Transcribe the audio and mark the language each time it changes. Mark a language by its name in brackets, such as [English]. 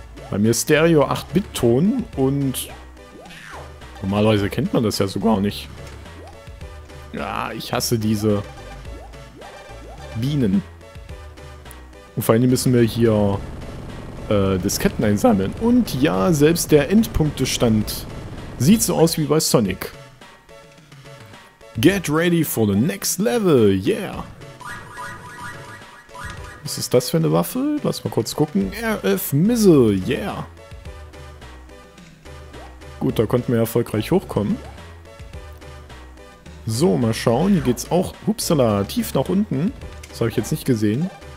[German] Bei mir Stereo 8-Bit-Ton und... Normalerweise kennt man das ja so gar nicht. Ja, ich hasse diese Bienen. Und vor allem müssen wir hier Disketten einsammeln. Und ja, selbst der Endpunktestand sieht so aus wie bei Sonic. [English] Get ready for the next level, yeah! [German] Was ist das für eine Waffe? Lass mal kurz gucken. RF Missile, yeah! Gut, da konnten wir erfolgreich hochkommen. So, mal schauen. Hier geht's auch, hupsala, tief nach unten. Das habe ich jetzt nicht gesehen.